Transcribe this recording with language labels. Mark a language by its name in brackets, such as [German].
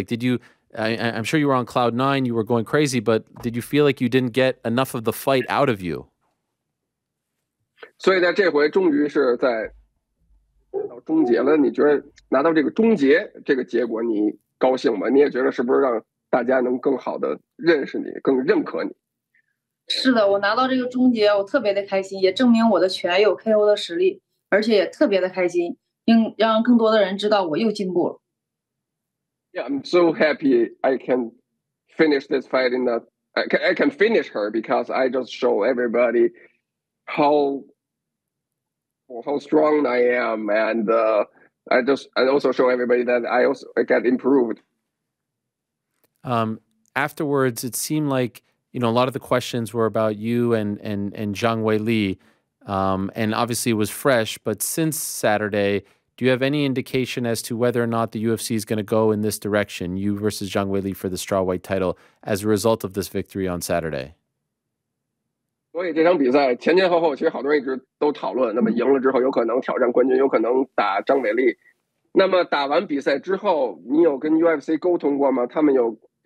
[English] Like, did you, I'm sure you were on cloud nine, you were going crazy, but did you feel like you didn't get enough of the fight out of you? So in this time, you finally reached the end. You think you're happy to get this end result? Do you think it's going to make people better recognize you, better accept you? [Chinese] 是的，我拿到这个终结，我特别的开心，也证明我的拳有 KO 的实力，而且也特别的开心，并让更多的人知道我又进步了。Yeah, [English] I'm so happy I can finish this fight in the I can finish her because I just show everybody how strong I am, and I also show everybody that I also I get improved. Afterwards, it seemed like, you know, a lot of the questions were about you and Zhang Weili, and obviously it was fresh, but since Saturday, do you have any indication as to whether or not the UFC is going to go in this direction, you versus Zhang Weili for the strawweight title, as a result of this victory on Saturday? [Chinese] 所以这场比赛前前后后其实好多人一直都讨论，那么赢了之后有可能挑战冠军，有可能打张伟丽。那么打完比赛之后，你有跟UFC沟通过吗？他们有